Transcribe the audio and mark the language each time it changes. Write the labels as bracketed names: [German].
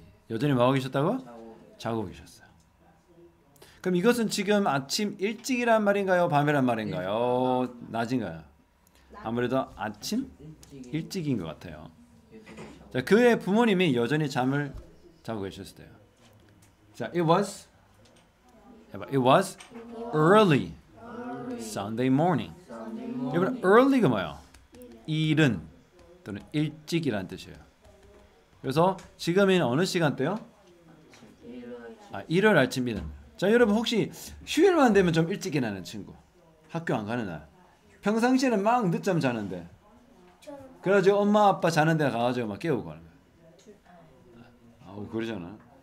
[Korean] 여전히 뭐 하고 계셨다고? 자고 계셨어요. 그럼 이것은 지금 아침 일찍이란 말인가요? 밤이란 말인가요? 낮인가요? 아무래도 아침 일찍인 것 같아요. 자, 그의 부모님이 여전히 잠을 자고 계셨어요. 자, [English] it was early Sunday morning. [Korean] 여러분, early가 뭐예요? 이른 또는 일찍이라는 뜻이에요. 그래서 지금은 어느 시간대요? 아, 일요일 아침이란. 자, 여러분 혹시 휴일만 되면 좀 일찍 일어나는 친구, 학교 안 가는 날. 평상시에는 막 늦잠 자는데, 그래가지고 엄마 아빠 자는 데 가가지고 막 깨우고 하는 거야. 아우, 그러잖아.